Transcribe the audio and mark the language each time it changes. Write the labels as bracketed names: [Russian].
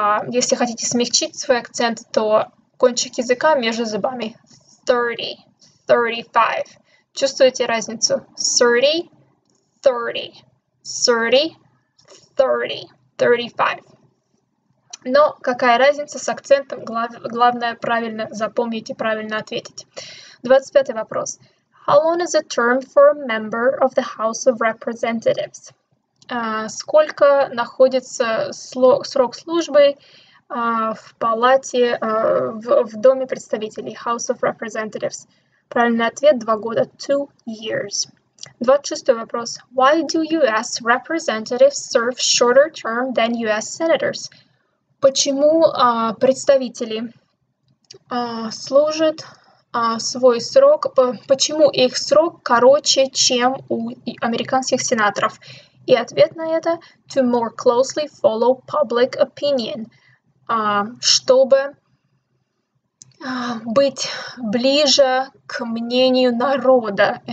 [Russian] Если хотите смягчить свой акцент, то кончик языка между зубами 30, 35. Чувствуете разницу? 30, 30, 30, 35. Но какая разница с акцентом? Главное правильно запомнить и правильно ответить. 25-й вопрос. [English] How long is a term for a member of the House of Representatives? [Russian] Сколько находится срок службы в палате, в Доме представителей, [English] House of Representatives? [Russian] Правильный ответ 2 года, [English] 2 years. [Russian] 26-й вопрос. [English] Why do US representatives serve shorter term than US senators? [Russian] Почему представители служат свой срок, почему их срок короче, чем у американских сенаторов? И ответ на это – [English] to more closely follow public opinion, [Russian] чтобы быть ближе к мнению народа.